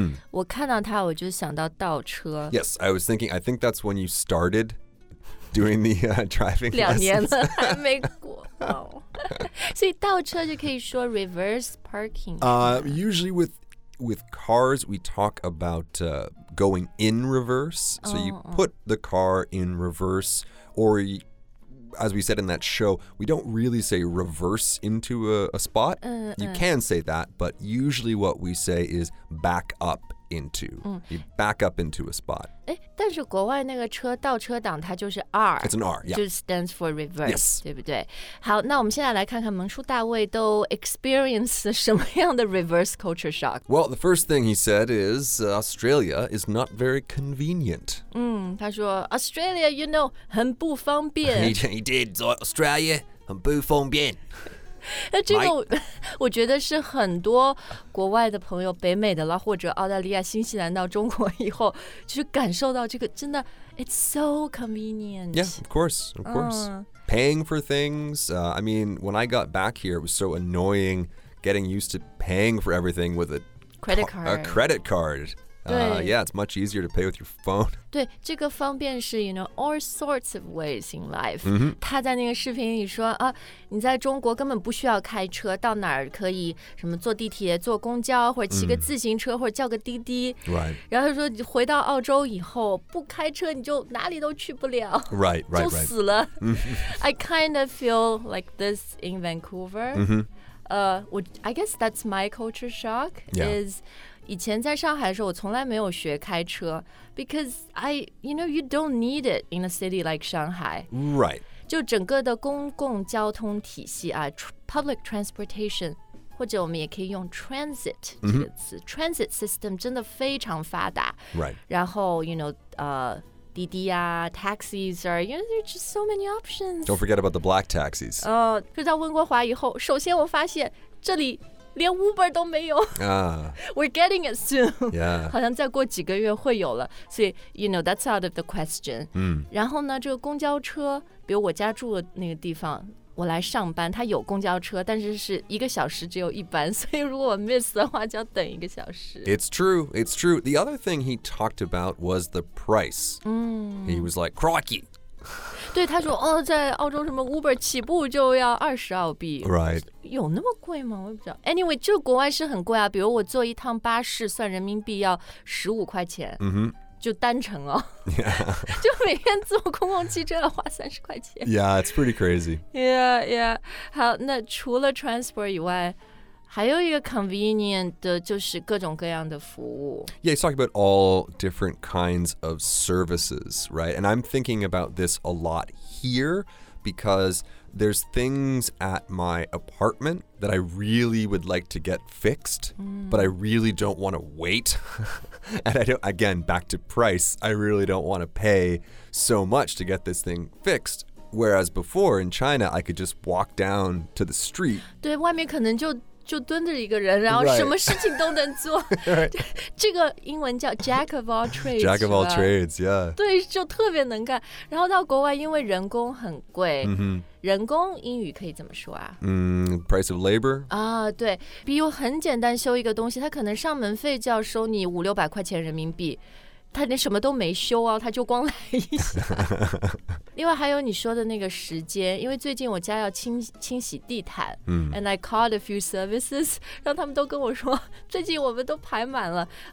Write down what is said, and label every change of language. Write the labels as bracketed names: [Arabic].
[Chinese] 我看到它我就想到倒车。 [English] Yes, I was thinking, I think that's when you started doing the driving lessons. 2 years [Chinese] 了还没过。所以倒车就可以说 reverse parking. [English] Usually with cars, we talk about... going in reverse. So you put the car in reverse or as we said in that show, we don't really say reverse into a spot. You can say that, but usually what we say is back up. Into. You back up into a spot. [Chinese] 但是国外那个车倒车档它就是 R. [English] It's an R, yeah. 就 stands for reverse,、 yes. [Chinese] 对不对？好，那我们现在来看看蒙叔大卫都 experience 什么样的 reverse culture shock. [English] Well, the first thing he said is Australia is not very convenient. [Chinese] 他说 Australia, [English] you know, [Chinese] 很不方便。 [English] He did. [Chinese] Australia, 很不方便。那这个我觉得是很多国外的朋友北美的了或者澳大利亚新西兰到中国以后就是感受到这个真的 [English] It's so convenient. Yeah, of course, of course. Paying for things. I mean, when I got back here, it was so annoying getting used to paying for everything with a credit card. Yeah, it's much easier to pay with your phone. [Chinese] 对，这个方便是 [English] you know, all sorts of ways in life. [Chinese] 他在那个视频里说啊，你在中国根本不需要开车，到哪儿可以什么坐地铁、坐公交，或者骑个自行车，或者叫个滴滴。 [English] Right. [Chinese] 然后他说，回到澳洲以后，不开车你就哪里都去不了。 [English] Right, right, right. [Chinese] 就死了。 [English] I kind of feel like this in Vancouver. I guess that's my culture shock. Yeah. [Chinese] 以前在上海的时候我从来没有学开车 [English] because I, you know, you don't need it in a city like Shanghai. Right. [Chinese] 就整个的公共交通体系啊 public transportation, 或者我们也可以用 transit 这个词、mm-hmm. transit system 真的非常发达 [English] Right. [Chinese] 然后 [English] you know, 滴滴啊 taxis are, you know, there are just so many options. Don't forget about the black taxis. [Chinese] 就到温哥华以后首先我发现这里连 Uber 都没有、 [English] We're getting it soon、 yeah. [Chinese] 好像再过几个月会有了所以 [English] you know, that's out of the question、 [Chinese] 然后呢这个公交车比如我家住的那个地方我来上班它有公交车但是是一个小时只有一班所以如果我 miss 的话就要等一个小时 [English] It's true, it's true The other thing he talked about was the price、He was like, crikey [Chinese] 对他说、在澳洲什么 Uber 起步就要20澳币 [English] Right [Chinese] 有那么贵吗我也不知道 Anyway 就国外是很贵啊比如我坐一趟巴士算人民币要15块钱、就单程哦、 [English] yeah. [Chinese] 就每天坐公共汽车要花30块钱 [English] Yeah it's pretty crazy Yeah yeah [Chinese] 好那除了 transport 以外还有一个 convenient 的就是各种各样的服务 [English] Yeah, he's talking about all different kinds of services, right? And I'm thinking about this a lot here because there's things at my apartment that I really would like to get fixed, but I really don't want to wait. And I don't, again, back to price, I really don't want to pay so much to get this thing fixed. Whereas before in China, I could just walk down to the street. [Chinese] 对，外面可能就蹲着一个人，然后什么事情都能做。这个英文叫 Jack of all trades. [English] Jack of all trades, yeah. [Chinese] 对，就特别能干。然后到国外，因为人工很贵。人工英语可以怎么说啊？ [English] Price of labor. [Chinese] 啊，对，比如很简单修一个东西，他可能上门费就要收你500-600块钱人民币。他连什么都没修啊，他就光来一下。另外还有你说的那个时间，因为最近我家要清洗地毯、， [English] and I called a few services， [Chinese] 让他们都跟我说，最近我们都排满了。